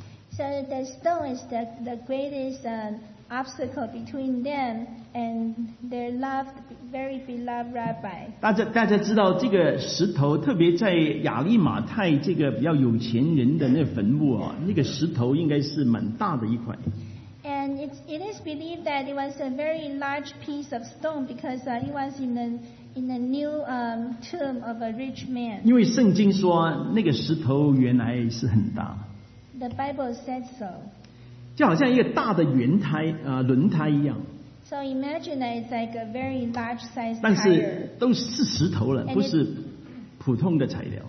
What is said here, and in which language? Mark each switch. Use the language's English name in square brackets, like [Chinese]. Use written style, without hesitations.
[English] So the stone is the greatest obstacle between them and their loved, very beloved rabbi. [Chinese] 大家知道这个石头，特别在亚利马泰这个比较有钱人的那坟墓啊，那个石头应该是蛮大的一块。 [English] And it is believed that it was a very large piece of stone because it was in the new tomb of a rich man. [Chinese] 因为圣经说那个石头原来是很大。 [English] The Bible said so. [Chinese] 就好像一个大的轮胎一样。 [English] So imagine that it's like a very large size tire. [Chinese] 但是都是石头了，不是普通的材料。